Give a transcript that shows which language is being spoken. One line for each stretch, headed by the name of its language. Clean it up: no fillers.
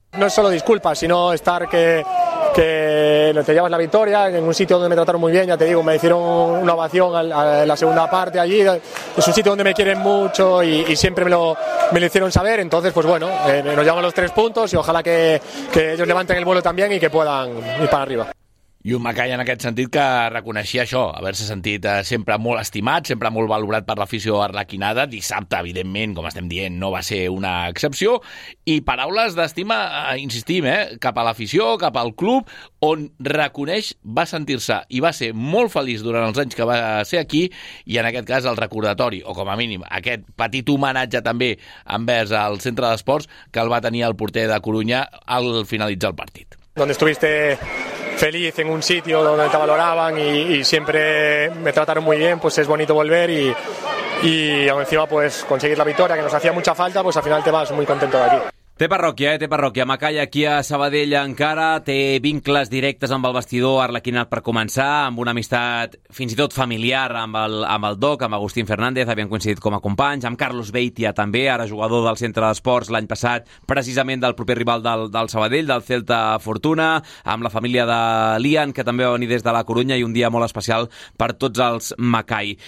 Spanish: No es solo disculpas, sino estar que te llevas la victoria en un sitio donde me trataron muy bien, ya te digo, me hicieron una ovación a la segunda parte allí, es un sitio donde me quieren mucho y siempre me lo hicieron saber, entonces pues bueno, nos llevamos los 3 puntos y ojalá que ellos levanten el vuelo también y que puedan ir para arriba.
Catalan: I un Mackay en aquest sentit que reconeixia això, haver-se sentit sempre molt estimat, sempre molt valorat per l'afició arlequinada. Dissabte, evidentment, com estem dient, no va ser una excepció. I paraules d'estima, insistim, cap a l'afició, cap al club, on reconeix, va sentir-se i va ser molt feliç durant els anys que va ser aquí, i en aquest cas el recordatori, o com a mínim aquest petit homenatge també envers el centre d'esports que el va tenir el porter de Coruña al finalitzar el partit.
Spanish: Donde estuviste feliz en un sitio donde te valoraban y siempre me trataron muy bien, pues es bonito volver y aún encima pues conseguir la victoria que nos hacía mucha falta, pues al final te vas muy contento de aquí.
Catalan: Té parròquia, té parròquia. Macaya aquí a Sabadell encara té vincles directes amb el vestidor arlequinat per començar, amb una amistat fins i tot familiar amb el Doc, amb Agustín Fernández, havien coincidit com a companys, amb Carlos Beitia també, ara jugador del Centre d'Esports l'any passat, precisament del proper rival del Sabadell, del Celta Fortuna, amb la família de Lian, que també va venir des de la Corunya, i un dia molt especial per tots els Macay.